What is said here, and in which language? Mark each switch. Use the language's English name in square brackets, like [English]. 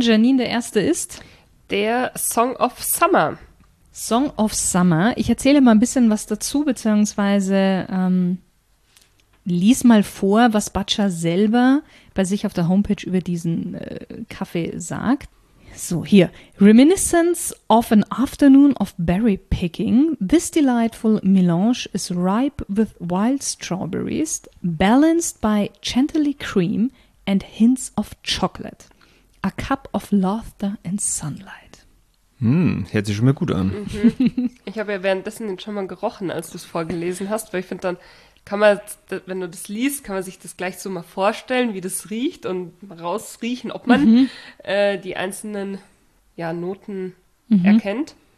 [German] Janine, der erste ist? Der Song of Summer. Song of Summer. Ich erzähle mal ein bisschen was dazu, beziehungsweise lies mal vor, was Butcher selber bei sich auf der Homepage über diesen Kaffee sagt. So, hier. [English] Reminiscence of an afternoon of berry picking. This delightful melange is ripe with wild strawberries, balanced by gently cream and hints of chocolate. A cup of laughter and sunlight. [German] Hm, hört sich schon mal gut an. Mhm. Ich habe ja währenddessen den schon mal gerochen, als du es vorgelesen hast, weil ich finde dann, kann man, wenn du das liest, kann man sich das gleich so mal vorstellen, wie das riecht und rausriechen, ob man die einzelnen Noten erkennt.